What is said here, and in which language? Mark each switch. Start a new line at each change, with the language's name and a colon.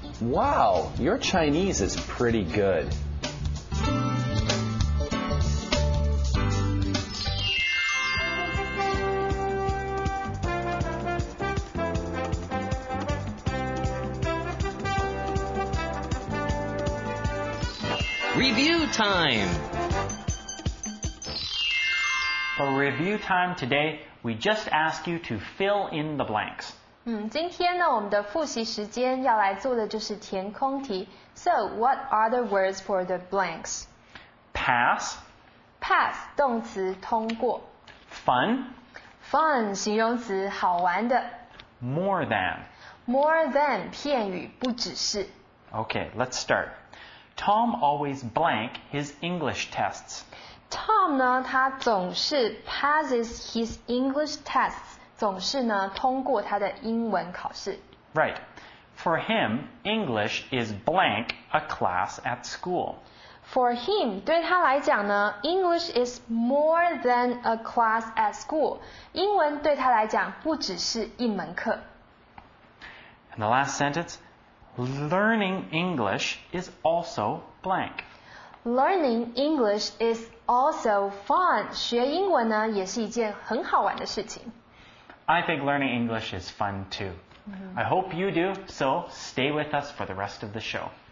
English: Wow, your Chinese is pretty good. Review time. For review time today, we just ask you to fill in the blanks.
Chinese: 今天呢，我们的复习时间要来做的就是填空题。
English: So, what are the words for the blanks? Pass.
Chinese: Pass, 动词，通过。
English: Fun.
Chinese: Fun, 形容词，好玩的。
English: More than.
Chinese: More than, 片语，不只是。
English: Okay, let's start. Tom always blank his English tests. Tom
Chinese: 呢，他总是
English: passes his English tests.
Chinese: 总是呢通过他的英文考试。
English: Right. For him, English is blank a class at school. For him,
Chinese: 对他来讲呢
English: English is more than a class at school.
Chinese: 英文对他来讲不只是一门课。
English: And the last sentence, learning English is also blank. Learning English is also fun.
Chinese: 学英文呢也是一件很好玩的事情。
English: I think learning English is fun too. I hope you do, so stay with us for the rest of the show.